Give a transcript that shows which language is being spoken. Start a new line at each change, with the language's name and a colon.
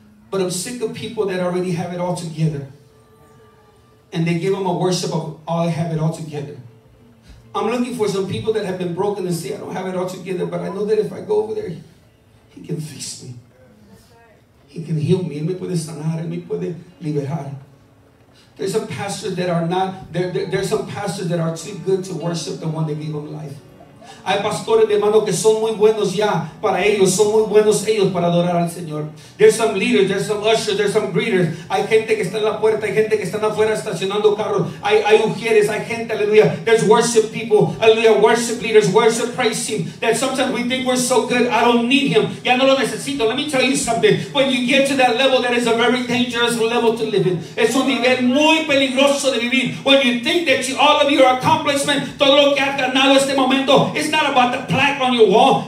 English: But I'm sick of people that already have it all together. And they give them a worship of, oh, I have it all together. I'm looking for some people that have been broken and say, I don't have it all together, but I know that if I go over there, he can fix me. He can heal me.
Spanish: Él me puede sanar, él me puede liberar.
English: There's some pastors that are not, there's some pastors that are too good to worship the one that gave them life.
Spanish: Hay pastores de mano que son muy buenos ya para ellos, son muy buenos ellos para adorar al Señor.
English: There's some leaders, there's some ushers, there's some greeters.
Spanish: Hay gente que está en la puerta, hay gente que está afuera estacionando carros. Hay ujieres, hay gente, aleluya.
English: There's worship people, aleluya, worship leaders, worship praise team. That sometimes we think we're so good, I don't need him.
Spanish: Ya no lo necesito.
English: Let me tell you something. When you get to that level, that is a very dangerous level to live in.
Spanish: Es un nivel muy peligroso de vivir.
English: When you think that you, all of your accomplishment,
Spanish: todo lo que has ganado este momento,
English: it's not about the plaque on your wall.